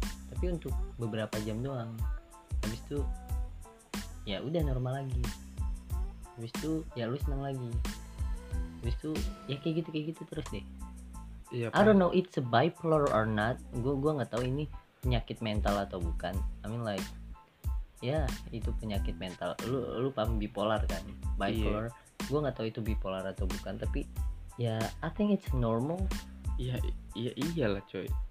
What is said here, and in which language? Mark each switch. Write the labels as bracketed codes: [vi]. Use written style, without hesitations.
[id] Tapi untuk beberapa jam doang, habis itu ya udah normal lagi, habis itu ya lu senang lagi, habis itu ya kayak gitu terus deh. Iya, [en] I don't know it's a bipolar or not. [id] Gua nggak tahu ini penyakit mental atau bukan. [en] I mean like, [id] ya itu penyakit mental. Lu paham bipolar kan? Bipolar. Yeah. Gua nggak tahu itu bipolar atau bukan. Tapi ya [en] I think it's normal. [id] Iya iya iyalah coy.